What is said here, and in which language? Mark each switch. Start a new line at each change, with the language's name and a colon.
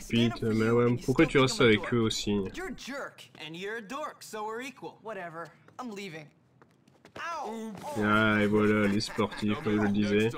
French: Pete, mais ouais, pourquoi tu restes avec eux aussi?
English: You're a jerk, and you're a dork, so we're equal. Whatever. I'm leaving.
French: Ah, et voilà, les sportifs, comme je le disais.